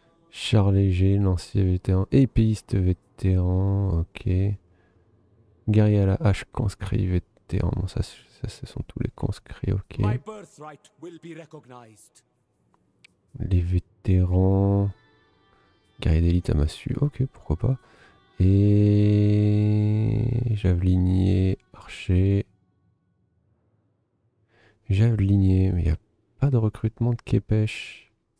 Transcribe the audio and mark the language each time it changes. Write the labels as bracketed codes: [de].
[fr] Char léger, lancier vétéran, épéiste vétéran, ok. Guerrier à la hache, conscrit vétéran, bon, ça ce sont tous les conscrits, ok. [en] My birthright will be recognized. [fr] Les vétérans, guerrier d'élite à massue, ok, pourquoi pas. Et javelinier, archer. Javelinier, mais il n'y a pas de recrutement de Kepesh.